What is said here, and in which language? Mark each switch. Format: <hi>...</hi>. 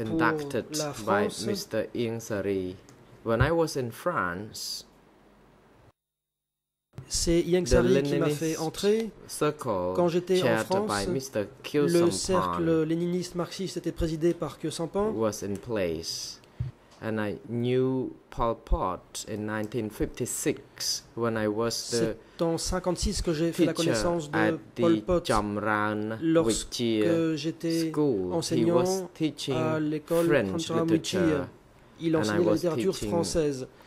<en>I was inducted by Mr. Ieng Sary when I was in France.</en> <fr>C'est Ieng Sary qui m'a fait entrer quand j'étais en France. Le cercle léniniste marxiste était présidé par Khieu Samphan.</fr> <en>Was in place, and I knew Pol Pot in 1956 when I was the</en> <fr>c'est en 56 que j'ai fait la connaissance de Pol Pot. Lorsque j'étais</fr> <en>school.</en> <fr>Enseignant à l'école Chamran Wichir, il enseignait la littérature française.</fr>